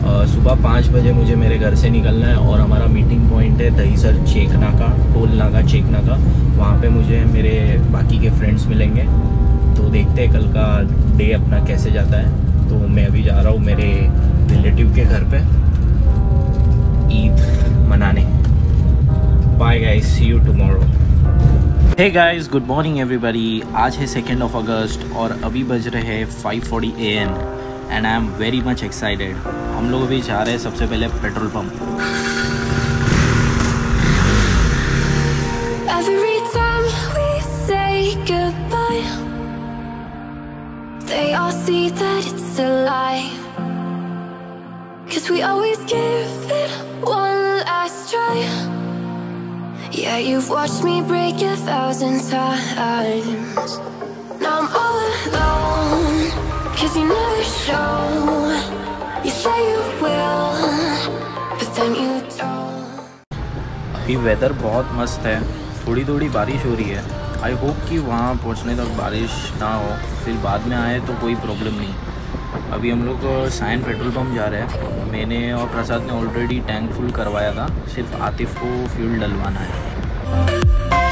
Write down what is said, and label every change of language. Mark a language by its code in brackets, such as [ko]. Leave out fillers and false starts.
[hi] सुबह 5 बजे मुझे मेरे घर से निकलना है और हमारा मीटिंग पॉइंट है दहीसर चेकना का, टोल नाका चेकना का. वहाँ पे मुझे मेरे बाकी के फ्रेंड्स मिलेंगे. तो देखते हैं कल का डे अपना कैसे जाता है. तो मैं अभी जा रहा हूँ मेरे रिलेटिव के घर पर ईद मनाने. [en] Bye guys, see you tomorrow. Hey guys, good morning everybody. [hi] आज है 2nd of August और अभी बज रहे हैं 5:40 AM [en] and I am very much excited. [hi] हम लोग अभी जा रहे हैं सबसे पहले petrol pump. [en] Every time we say goodbye, they all see that it's a lie. 'Cause we always give it one last try. Yeah, you've watched me break a thousand times. Now I'm all alone, 'cause you never show. You say you will, but then you don't. [hi] अभी weather बहुत मस्त है, थोड़ी थोड़ी बारिश हो रही है. आई होप कि वहाँ पहुँचने तक बारिश ना हो, फिर बाद में आए तो कोई प्रॉब्लम नहीं. अभी हम लोग साइन पेट्रोल पम्प जा रहे हैं. मैंने और प्रसाद ने ऑलरेडी टैंक फुल करवाया था, सिर्फ आतिफ को फ्यूल डलवाना है.